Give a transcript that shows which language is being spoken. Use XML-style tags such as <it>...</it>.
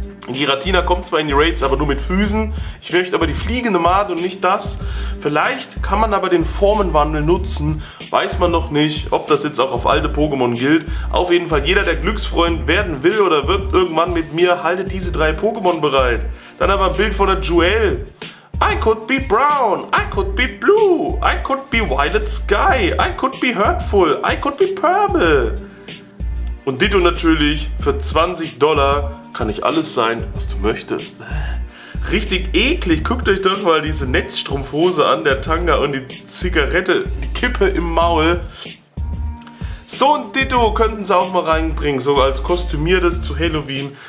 <de>Giratina kommt zwar in die Raids, aber nur mit Füßen. Ich möchte aber die fliegende Mate und nicht das. Vielleicht kann man aber den Formenwandel nutzen. Weiß man noch nicht, ob das jetzt auch auf alte Pokémon gilt. Auf jeden Fall, jeder, der Glücksfreund werden will oder wird irgendwann mit mir, haltet diese drei Pokémon bereit. Dann aber ein Bild von der Joelle.</de> <en>I could be brown, I could be blue, I could be violet sky, I could be hurtful, I could be purple.</en> <de>Und Ditto natürlich für $20. Kann ich alles sein, was du möchtest. Richtig eklig. Guckt euch doch mal diese Netzstrumpfhose an, der Tanga und die Zigarette, die Kippe im Maul. So ein Ditto könnten sie auch mal reinbringen, so als kostümiertes zu Halloween.</de>